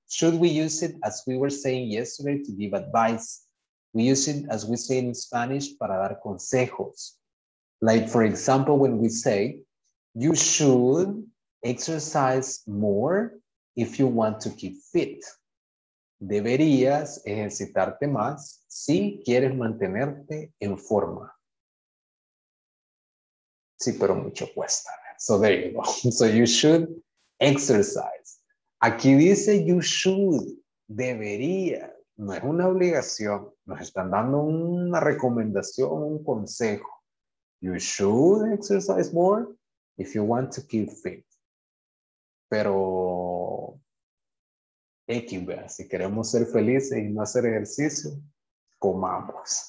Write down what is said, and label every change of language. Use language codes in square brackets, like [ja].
[en] Should we use it as we were saying yesterday to give advice? We use it as we say in Spanish, [es] para dar consejos. [en] Like for example, when we say, you should exercise more if you want to keep fit. [es] Deberías ejercitarte más si quieres mantenerte en forma. Sí, pero mucho cuesta. [en] So there you go. So you should exercise. [es] Aquí dice you should, debería. No es una obligación. Nos están dando una recomendación, un consejo. [en] You should exercise more if you want to keep fit. [es] Pero si queremos ser felices y no hacer ejercicio, comamos.